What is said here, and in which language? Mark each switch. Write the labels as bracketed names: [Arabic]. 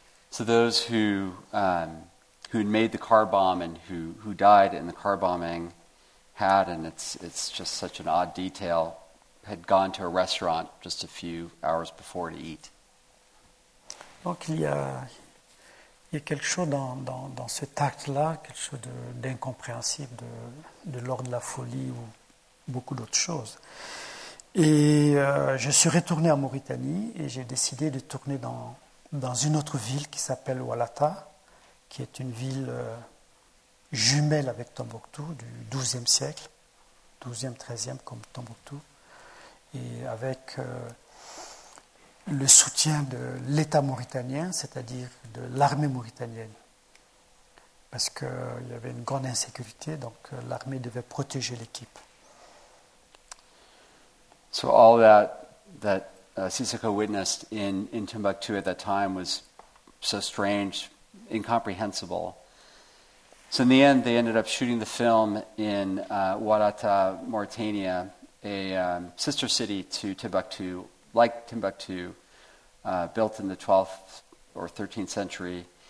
[English] So those who made the car bomb and who died in the car bombing had, and it's just such an odd detail, had gone to a restaurant just a few hours before to eat. [French] Donc il y a quelque chose dans cet acte-là, quelque chose d'incompréhensible, de l'ordre de la folie ou beaucoup d'autres choses. Et je suis retourné en Mauritanie et j'ai décidé de tourner dans une autre ville qui s'appelle Walata, qui est une ville jumelle avec Tombouctou du XIIe siècle, XIIe, XIIIe comme Tombouctou, et avec le soutien de l'État mauritanien, c'est-à-dire de l'armée mauritanienne. Parce qu'il y avait une grande insécurité, donc l'armée devait protéger l'équipe. [English] So all that Sisoko witnessed in Tombouctou at that time was so strange, incomprehensible. So in the end, they ended up shooting the film in Walata, Mauritania, a sister city to Timbuktu, like Timbuktu, built in the 12th or 13th century.